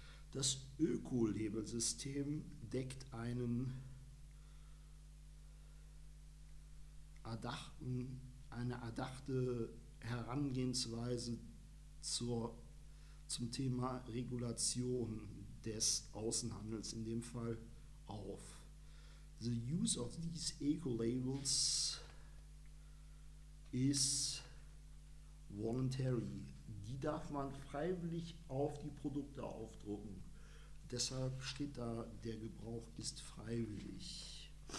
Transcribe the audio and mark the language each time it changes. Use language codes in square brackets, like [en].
[de] Das Öko-Label-System deckt einen erdachte Herangehensweise zum Thema Regulation des Außenhandels in dem Fall auf. [en] The use of these Eco-Labels is voluntary. [de] Die darf man freiwillig auf die Produkte aufdrucken. Deshalb steht da, der Gebrauch ist freiwillig.